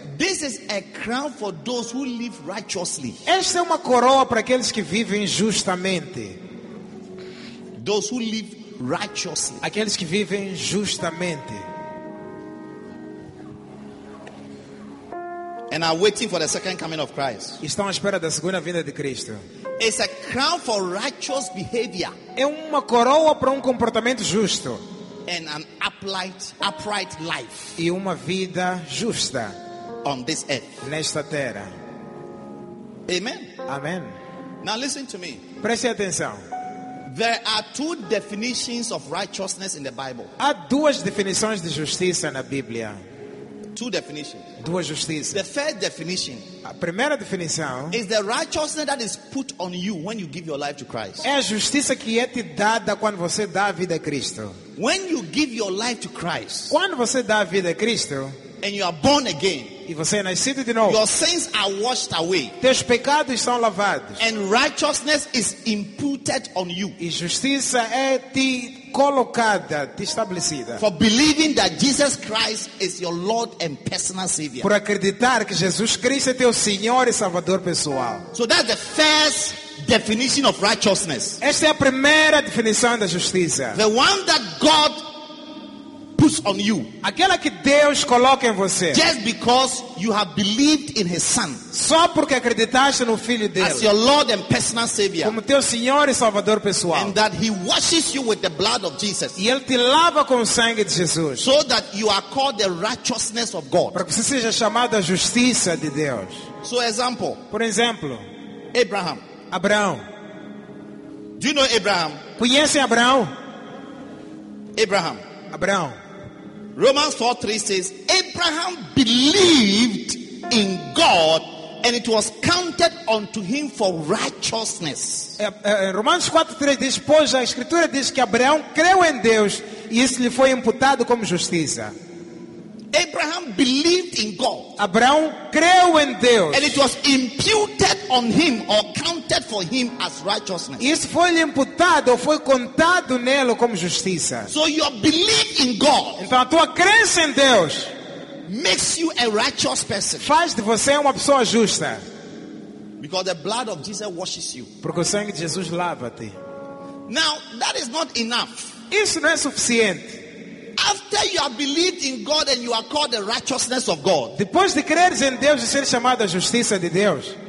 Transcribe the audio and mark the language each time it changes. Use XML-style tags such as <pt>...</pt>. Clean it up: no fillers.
<en>This is a crown for those who live righteously.</en> <pt>Esta é uma coroa para aqueles que vivem justamente.</pt> <en>Those who live righteously.</en> <pt>Aqueles que vivem justamente.</pt> <en>And are waiting for the second coming of Christ.</en> <pt>Estão à espera da segunda vinda de Cristo.</pt> <en>It's a crown for righteous behavior.</en> <pt>É uma coroa para comportamento justo.</pt> <en>And an upright life.</en> <pt>E uma vida justa.</pt> <en>On this earth.</en> <pt>Nesta terra.</pt> <en>Amen.</en> <pt>Amen.</pt> <en>Now listen to me.</en> <pt>Preste atenção.</pt> <en>There are two definitions of righteousness in the Bible.</en> <pt>Há duas definições de justiça na Bíblia.</pt> <en>Two definitions.</en> <pt>Duas justiças.</pt> <en>The first definition.</en> <pt>A primeira definição</pt> <en>is the righteousness that is put on you when you give your life to Christ.</en> <pt>É a justiça que é te dada quando você dá a vida a Cristo.</pt> <en>When you give your life to Christ.</en> <pt>Quando você dá a vida a Cristo.</pt> <en>And you are born again.</en> <pt>E você é nascido de novo.</pt> <en>Your sins are washed away.</en> <pt>Teus pecados são lavados.</pt> <en>And righteousness is imputed on you.</en> <pt>E justiça é te colocada, te estabelecida.</pt> <en>For believing that Jesus Christ is your Lord and personal Savior.</en> <pt>Por acreditar que Jesus Cristo é teu Senhor e Salvador pessoal.</pt> <en>So that's the first definition of righteousness.</en> <pt>Esta é a primeira definição da justiça.</pt> <en>The one that God on you.</en> <pt>Aquela que Deus coloca em você.</pt> <en>Just because you have believed in his son.</en> <pt>Só porque acreditaste no filho dele.</pt> <en>As your Lord and personal Savior.</en> <pt>Como teu Senhor e Salvador pessoal.</pt> <en>And that he washes you with the blood of Jesus.</en> <pt>E ele te lava com o sangue de Jesus.</pt> <en>So that you are called the righteousness of God.</en> <pt>Para que você seja chamado a justiça de Deus.</pt> <en>So example.</en> <pt>Por exemplo,</pt> <en>Abraham.</en> <pt>Abraão.</pt> <en>Do you know Abraham?</en> <pt>Conhece Abraão?</pt> <en>Abraham.</en> <pt>Abraão.</pt> <en>Romans 4:3 says Abraham believed in God and it was counted unto him for righteousness.</en> <pt>Romanos 4:3 diz, pois a escritura diz que Abraão creu em Deus e isso lhe foi imputado como justiça.</pt> <en>Abraham believed in God.</en> <pt>Abraão creu em Deus.</pt> <en>And it was imputed on him or counted counted for him as righteousness.</en> <pt>Isso foi-lhe imputado, foi contado nele como justiça.</pt> <en>So your belief in God,</en> <pt>então a tua crença em Deus,</pt> <en>makes you a righteous person.</en> <pt>Faz de você uma pessoa justa.</pt> <en>Because the blood of Jesus washes you.</en> <pt>Porque o sangue de Jesus lava-te.</pt> <en>Now, that is not enough.</en> <pt>Isso não é suficiente.</pt> <en>After you have believed in God and you are called the righteousness of God.</en> <pt>Depois de creres em Deus e ser chamado a justiça de Deus.</pt>